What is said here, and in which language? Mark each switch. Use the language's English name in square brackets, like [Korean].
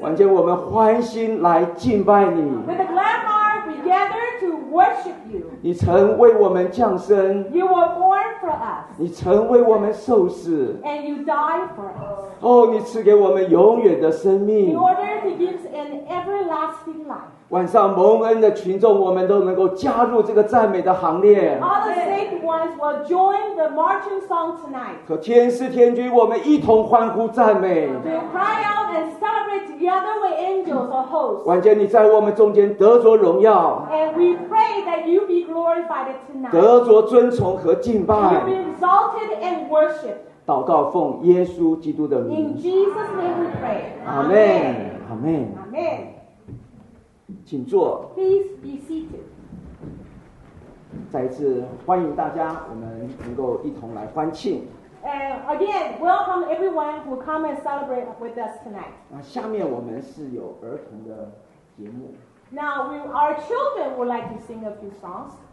[Chinese] 完全我们欢心来敬拜你。 [English] With a glad heart, we gather to worship you. [Chinese] 你曾为我们降生。 [English] You were born for us. [Chinese] 你曾为我们受死。 [English] And you died for us. [Chinese] 哦，你赐给我们永远的生命。 [English] In order to give an everlasting life. [Chinese] 晚上蒙恩的群众，我们都能够加入这个赞美的行列。 [English] All the saved ones will join the marching song tonight. [Chinese] 和天使天君，我们一同欢呼赞美。 [English] To cry out and celebrate together with angels or hosts. [Chinese] 完全你在我们中间得着荣耀。 [English] And we pray that you be glorified tonight. [Chinese] 得着尊崇和敬拜。 [English] You be exalted and worshipped. [Chinese] 祷告奉耶稣基督的名。 [English] In Jesus' name we pray. Amen. Amen. Amen. [Chinese] 请坐。 [English] Please be seated. [Chinese] 再一次欢迎大家，我们能够一同来欢庆。 [English] And again, welcome everyone who come and celebrate with us tonight. [Chinese] 那下面我们是有儿童的节目。 [English] Now, our children would like to sing a few songs.